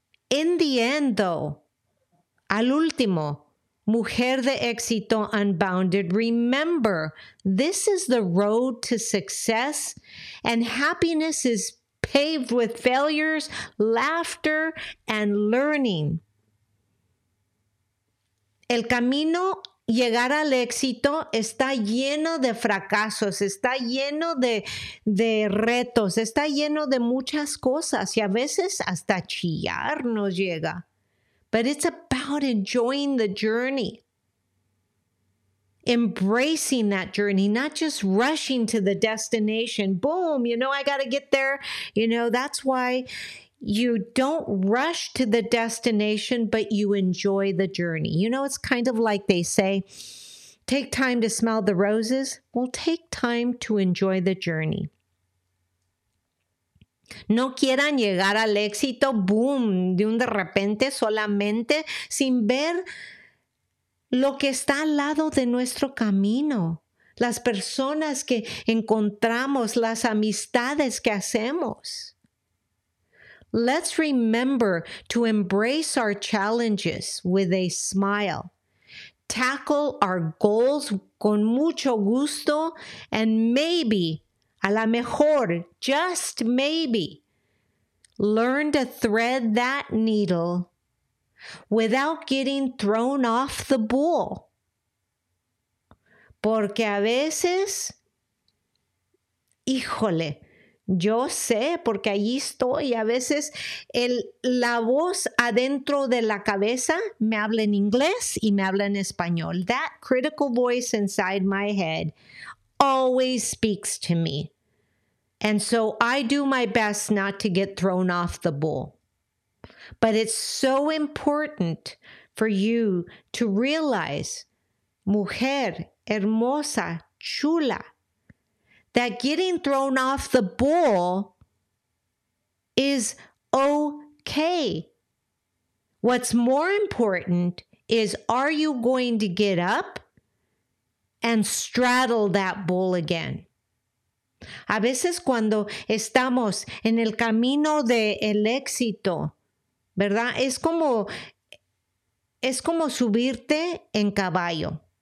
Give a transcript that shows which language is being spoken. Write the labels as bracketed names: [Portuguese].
[English] In the end, though, [Spanish] al último, [English] Mujer de Éxito Unbounded, remember, this is the road to success, and happiness is paved with failures, laughter, and learning. [Spanish] El camino llegar al éxito está lleno de fracasos, está lleno de retos, está lleno de muchas cosas y a veces hasta chillar nos llega. [English] But it's about enjoying the journey. Embracing that journey, not just rushing to the destination. Boom, you know, I got to get there. You know, that's why you don't rush to the destination, but you enjoy the journey. You know, it's kind of like they say, take time to smell the roses. Well, take time to enjoy the journey. [Spanish] No quieran llegar al éxito, boom, de un de repente, solamente, sin ver lo que está al lado de nuestro camino. Las personas que encontramos, las amistades que hacemos. [English] Let's remember to embrace our challenges with a smile. Tackle our goals [Spanish] con mucho gusto [English] and maybe, [Spanish] a la mejor, [English] just maybe, learn to thread that needle without getting thrown off the bull. [Spanish] Porque a veces, híjole, yo sé, porque allí estoy. A veces la voz adentro de la cabeza me habla en inglés y me habla en español. [English] That critical voice inside my head always speaks to me. And so I do my best not to get thrown off the bull. But it's so important for you to realize, [Spanish] mujer, hermosa, chula, [English] that getting thrown off the bull is okay. What's more important is, are you going to get up and straddle that bull again? [Spanish] A veces cuando estamos en el camino del éxito, ¿verdad? Es como subirte en caballo.